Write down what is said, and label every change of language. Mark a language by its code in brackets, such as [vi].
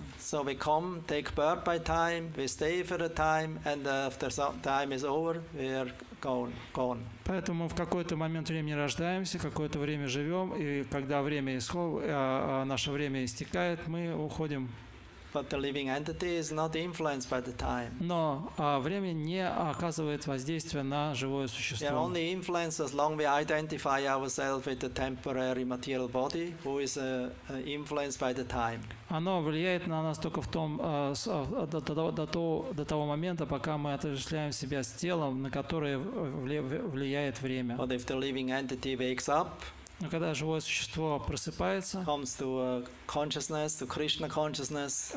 [en] So we come, take birth by time, we stay for a time, and after some time is over, we are gone. [ru] Поэтому в какой-то момент времени рождаемся, какое-то время живем, и когда время наше время истекает, мы уходим. [en] But the living entity is not influenced by the time. [ru] Но время не оказывает воздействия на живое существо. [en] We are only influenced as long we identify ourselves with the temporary material body, who is influenced by the time. [ru] Оно влияет на нас только в том до того момента, пока мы отождествляем себя с телом, на которое влияет время. [en] But if the living entity wakes up. [ru] Но когда живое существо просыпается, [en] comes to consciousness, to Krishna consciousness,